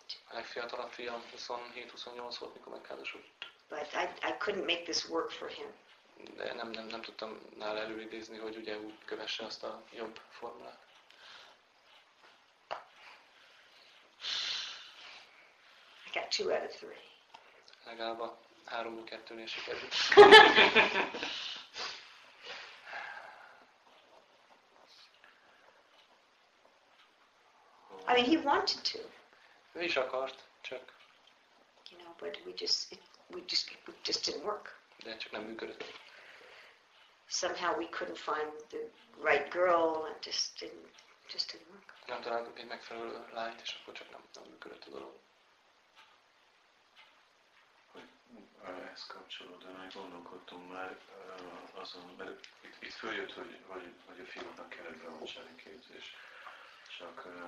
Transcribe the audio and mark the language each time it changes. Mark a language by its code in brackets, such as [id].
[hu] A legfiatalabb fiam 27-28 volt, mikor megházasodott. [en] But I couldn't make this work for him. [hu] De nem tudtam nála előidézni, hogy ugye úgy kövesse azt a jobb formulát. [en] I got 2 out of 3. [hu] Legalább a 3-2-nél sikerült. [en] I mean, he wanted to. [hu] Ő is akart, csak. [en] You know, but we just didn't work. [hu] De csak nem működött. [en] Somehow we couldn't find the right girl, and just didn't work. [hu] Nem találtuk egy megfelelő lányt, és akkor csak nem működött a dolog. Ehhez kapcsolódóan gondolkodtam már azon, mert itt följött, hogy a fiúknak kellett brahmachari képzés, csak.